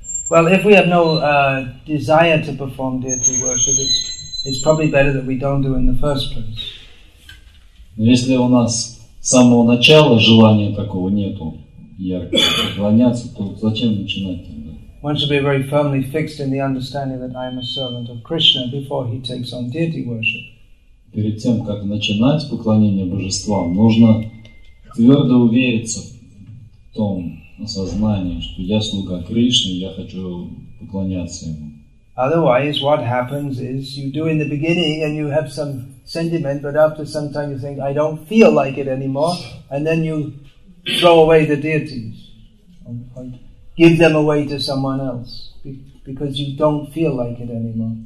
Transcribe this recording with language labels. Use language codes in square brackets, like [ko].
[en] Well, if we have no desire to perform deity worship, it's probably better that we don't do it in the first place. [ru] Но если у нас с самого начала желания такого нету, ярко поклоняться, то зачем начинать? [en] One should be very firmly fixed in the understanding that I am a servant of Krishna before he takes on deity worship. [ru] Перед тем, как начинать поклонение божествам, нужно твердо увериться в том осознании, что я слуга Кришны, я хочу поклоняться ему. [en] Otherwise, what happens is you do in the beginning and you have some sentiment, but after some time you think, I don't feel like it anymore, and then you throw away the deities. Give them away to someone else because you don't feel like it anymore.